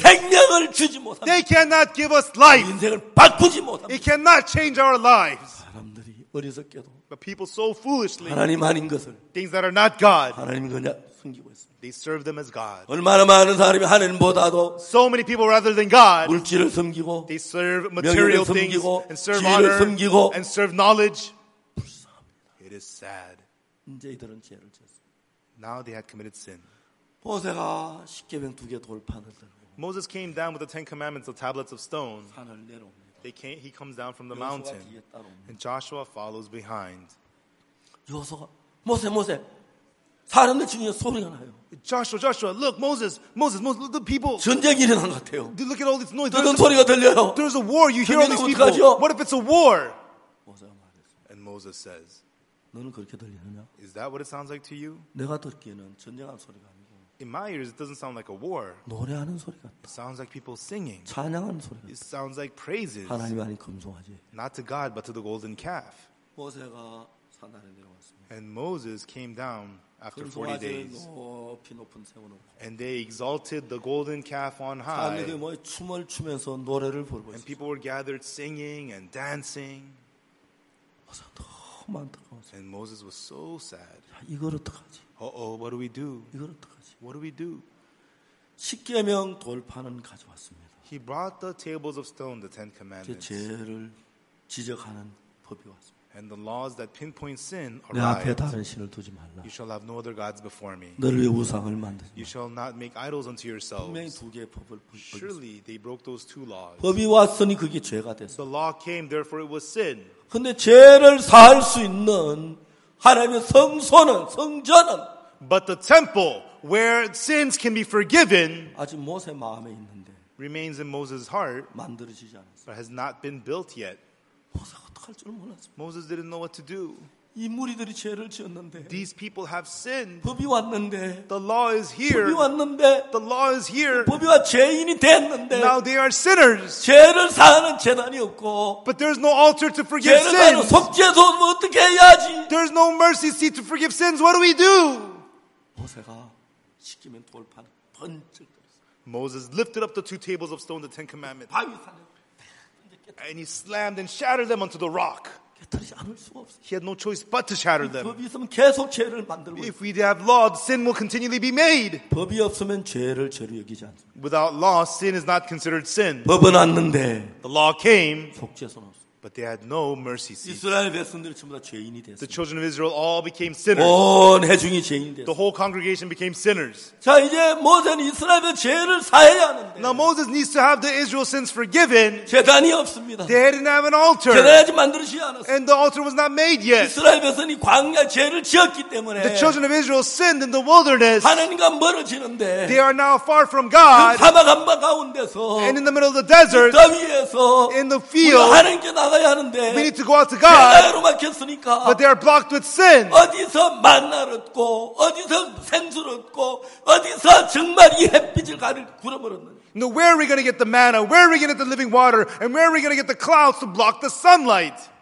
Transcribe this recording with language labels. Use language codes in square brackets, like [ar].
[ko] 생명을 주지 못합니다. [en] They cannot give us life. [ko] 인생을 바꾸지 못합니다. [en] It cannot change our lives. [ko] 사람들이 어리석게도, [en] but people so foolishly, [ko] 하나님 아닌 것을, [en] things that are not God, [ko] 하나님 그냥 숨기고 있어. [en] They serve them as God. [ko] 얼마나 많은 사람이 하나님보다도 [en] so many people rather than God [ko] 물질을 섬기고 [en] they serve material things and serve honor and serve knowledge. [ko] 불쌍합니다. [en] It is sad. [ko] 이제 이들은 죄를 지었습니다. [en] Now they had committed sin. [ko] 모세가 십계명 두 개 돌판을 들고 [en] Moses came down with the Ten Commandments, the tablets of stone. [ko] 산을 내려옵니다. [en] They came, he comes down from the mountain. [ko] 뒤에 따라옵니다. [en] And Joshua follows behind. [ko] 여호수아 모세 모세 사람들 중에 소리가 나요. [en] Joshua, Joshua, look, Moses, Moses, Moses, look, the people. [ko] 전쟁 일어난 것 같아요. [en] Look at all this noise. [ko] 어떤 소리가 들려요? [en] There's a war. You hear all these people. [ko] 어떡하죠? [en] What if it's a war? [ko] 모세가 말했어요. [en] And Moses says, [ko] 너는 그렇게 들리느냐? [en] Is that what it sounds like to you? [ko] 내가 듣기에는 전쟁한 소리가 아니고. [en] In my ears, it doesn't sound like a war. [ko] 노래하는 소리 같다. [en] It sounds like people singing. [ko] 찬양하는 소리 같다. [en] It sounds like praises. [ko] 하나님 아닌 금송아지. [en] Not to God, but to the golden calf. [ko] 모세가 산 아래 내려왔습니다. [en] And Moses came down. After 40 days, [ko] 높이 높은 세워놓고, [en] and they exalted the golden calf on high. [ko] 사람들이 뭐 춤을 추면서 노래를 부르고 있어. [en] And people were gathered singing and dancing. [ko] 모세 너무 안타까웠어. [en] And Moses was so sad. [ko] 야, 이걸 어떡하지? [en] Uh-oh, what do we do? [ko] 이걸 어떡하지? [en] What do we do? [ko] 십계명 돌판은 가져왔습니다. [en] He brought the tables of stone, the Ten Commandments. [ko] 제 죄를 지적하는 법이 왔습니다. [en] And the laws that pinpoint sin arrived. [ko] 내 앞에 다른 신을 두지 말라. [en] You shall have no other gods before me. [ko] 너를 위해 우상을 만들지 말라. [en] You shall not make idols unto yourselves. [ko] 분명히 두 개의 법을 부르셨습니다. [en] Surely they broke those two laws. [ko] 법이 왔으니 그게 죄가 됐어. [en] The law came, therefore it was sin. [ko] 근데 죄를 사할 수 있는 하나님의 성소는 성전은 [en] But the temple where sins can be forgiven [ko] 아직 모세 마음에 있는데 [en] remains in Moses' heart [ko] 만들어지지 않았어. [en] But has not been built yet. [ko] 모세가 어떡할 줄 몰랐어. [en] Moses didn't know what to do. [ko] 이 무리들이 죄를 지었는데 [en] These people have sinned. [ko] 법이 왔는데 [en] The law is here. [ko] 법이 왔는데 [en] The law is here. [ko] 법이 와 죄인이 됐는데 [en] Now they are sinners. [ko] 죄를 사하는 재단이 없고 [en] But there's no altar to forgive sins. [ko] 죄를 사하는 속죄소 어떻게 해야지? [en] There's no mercy seat to forgive sins. What do we do? [ko] 모세가 시키면 돌판 번쩍 [en] Moses lifted up the two tables of stone, the Ten Commandments. [ko] 바위 산에 [en] And he slammed and shattered them onto the rock. He had no choice but to shatter them. If we have law, sin will continually be made. Without law, sin is not considered sin. The law came, but they had no mercy seat. The children of Israel all became sinners. The whole congregation became sinners. Now Moses needs to have the Israel sins forgiven. They didn't have an altar. And the altar was not made yet. The children of Israel sinned in the wilderness. They are now far from God. And in the middle of the desert, in the field, we need to go out to God. But they are blocked with sin. [ko] 어디서 만나를 얻고 어디서 생수를 얻고 어디서 정말 이 햇빛을 가를 구름을 얻는 [en] Now where are we going to get the manna? Where are we going to get the living water? And where are we going to get the clouds to block the sunlight?